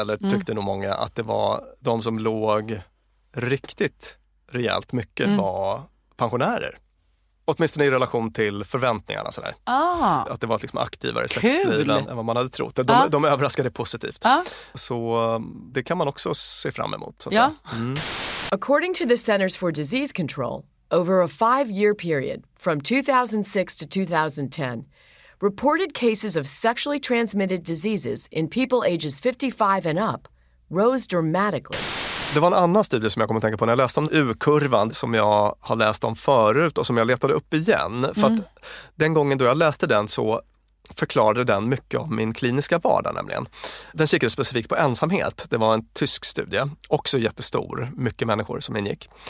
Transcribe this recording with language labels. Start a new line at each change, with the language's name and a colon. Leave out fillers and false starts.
Swedish: Eller tyckte nog många att det var de som låg riktigt rejält mycket var pensionärer. Åtminstone i relation till förväntningarna. Sådär. Ah. Att det var liksom aktivare sexliv än vad man hade trott. De, de överraskade positivt. Så det kan man också se fram emot. Så att säga.
English: According to the Centers for Disease Control, over a 5-year period from 2006 to 2010, reported cases of sexually transmitted diseases in people ages 55 and up rose dramatically.
Swedish: Det var en annan studie som jag kom att tänka på när jag läste om U-kurvan som jag har läst om förut och som jag letade upp igen. För att den gången då jag läste den så förklarade den mycket av min kliniska vardag nämligen. Den kikade specifikt på ensamhet. Det var en tysk studie, också jättestor, mycket människor som ingick.